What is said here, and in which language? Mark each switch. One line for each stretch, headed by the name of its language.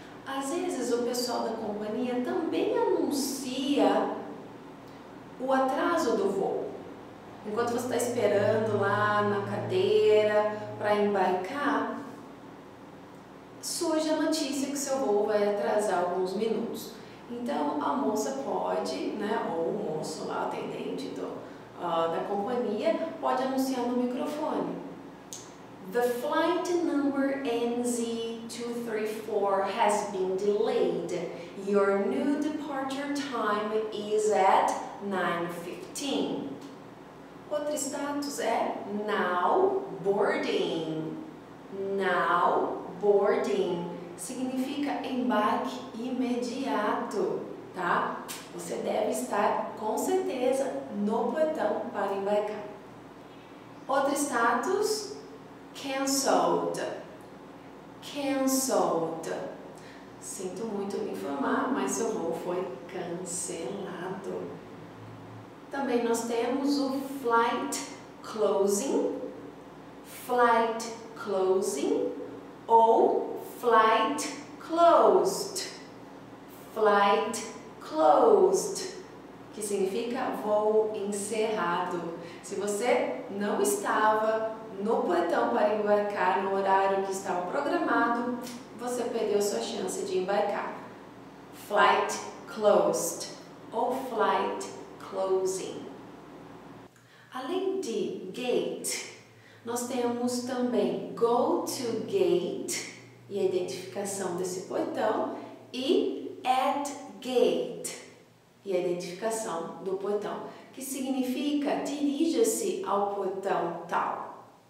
Portuguese: Às vezes, o pessoal da companhia também anuncia o atraso do voo. Enquanto você está esperando lá na cadeira, para embarcar, surge a notícia que seu voo vai atrasar alguns minutos. Então, a moça pode, né, ou o moço lá, atendente da companhia, pode anunciar no microfone.
English: The flight number NZ234 has been delayed. Your new departure time is at 9:15.
Portuguese: Outro status é now boarding. Now boarding significa embarque imediato, tá? Você deve estar com certeza no portão para embarcar. Outro status, cancelled. Cancelled. Sinto muito me informar, mas seu voo foi cancelado. Também nós temos o flight closing.
English: Flight closing ou flight closed.
Portuguese: Flight closed, que significa voo encerrado. Se você não estava no portão para embarcar no horário que estava programado, você perdeu sua chance de embarcar.
English: Flight closed ou flight closing.
Portuguese: Além de gate, nós temos também go to gate e a identificação desse portão e at gate e a identificação do portão, que significa dirija-se ao portão tal.